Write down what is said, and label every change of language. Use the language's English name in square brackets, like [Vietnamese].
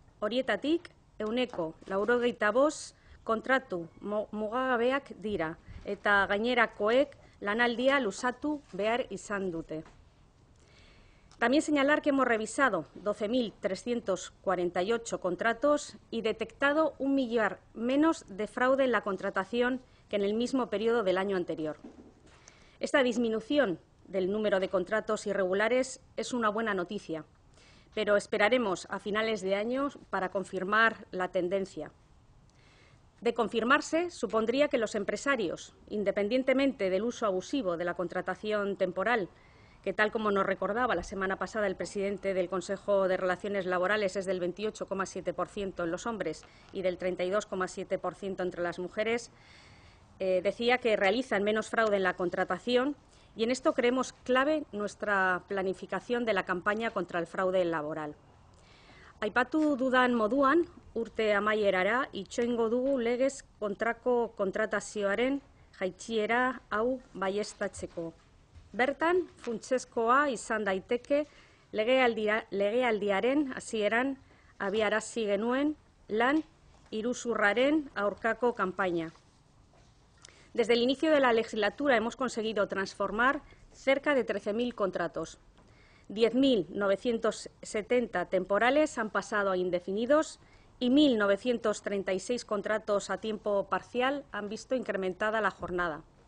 [Basque] Horietatik, 185 kontratu mugagabeak dira, eta gainerakoek lanaldia luzatu behar izan dute. [Spanish] También señalar que hemos revisado 12.348 contratos y detectado 1 millar menos de fraude en la contratación que en el mismo periodo del año anterior. Esta disminución del número de contratos irregulares es una buena noticia, pero esperaremos a finales de año para confirmar la tendencia. De confirmarse, supondría que los empresarios, independientemente del uso abusivo de la contratación temporal, que tal como nos recordaba la semana pasada el presidente del Consejo de Relaciones Laborales es del 28,7% en los hombres y del 32,7% entre las mujeres, decía que realizan menos fraude en la contratación. Y en esto creemos clave nuestra planificación de la campaña contra el fraude laboral. [Basque] Aipatu dudan moduan, urte amaierara, itxoingo dugu legez kontrako kontratazioaren jaitsiera hau baiestatzeko. Bertan, funtsezkoa izan daiteke legealdiaren hasieran abiarazi genuen lan iruzurraren aurkako kampaina. [Spanish] Desde el inicio de la legislatura hemos conseguido transformar cerca de 13.000 contratos. 10.970 temporales han pasado a indefinidos y 1.936 contratos a tiempo parcial han visto incrementada la jornada.